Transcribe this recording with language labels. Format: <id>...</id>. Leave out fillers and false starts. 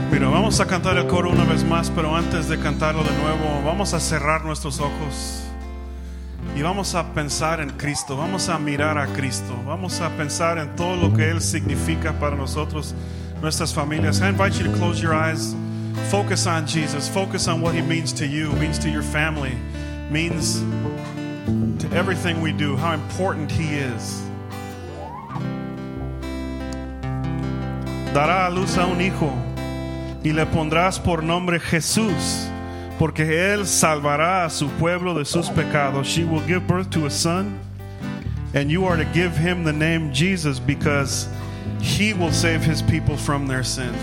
<es>Vamos a cantar el coro una vez más, pero antes de cantarlo de nuevo, vamos a cerrar nuestros ojos y vamos a pensar en Cristo. Vamos a mirar a Cristo. Vamos a pensar en todo lo que Él significa para nosotros, nuestras familias.</es> <en>I invite you to close your eyes. Focus on Jesus. Focus on what He means to you, means to your family, means to everything we do, how important He is.</en> <es>Dará a luz a un hijo y le pondrás por nombre Jesús, porque él salvará a su pueblo de sus pecados.</es> <en>She will give birth to a son, and you are to give him the name Jesus, because he will save his people from their sins.</en>